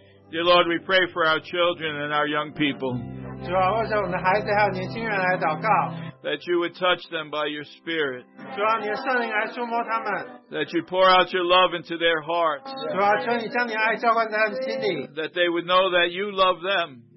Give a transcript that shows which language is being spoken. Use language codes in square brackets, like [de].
[en] Dear Lord, we pray for our children and our young people. [zh] 主啊，为着我们的孩子还有年轻人来祷告。 [en] That you would touch them by your spirit. [zh] 主啊，你的圣灵来触摸他们。 [en] That you pour out your love into their hearts. [zh] 主啊，求你将你的爱浇灌在他们心里。 [en] That they would know that you love them.